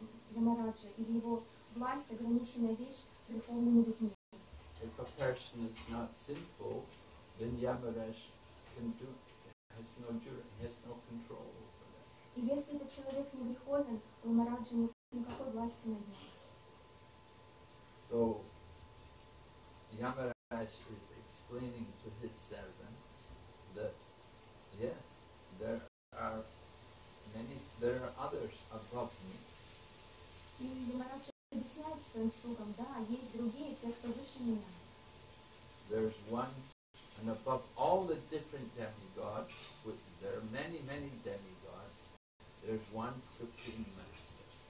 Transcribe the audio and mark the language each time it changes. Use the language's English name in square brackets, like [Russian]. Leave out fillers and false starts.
[Russian] Ямараджа или его власть ограничена лишь церковными людьми. [English] If a person is not sinful, then Yamaraj can do has no jury, has no control over them. [Russian] И если этот человек не греховен, то Ямараджа нет никакой власти над ним. [English] So Yamaraj is explaining to his servants that yes, there are many, there are others above me. There's one and above all the different demigods, with, there are many, many demigods, there's one Supreme Master.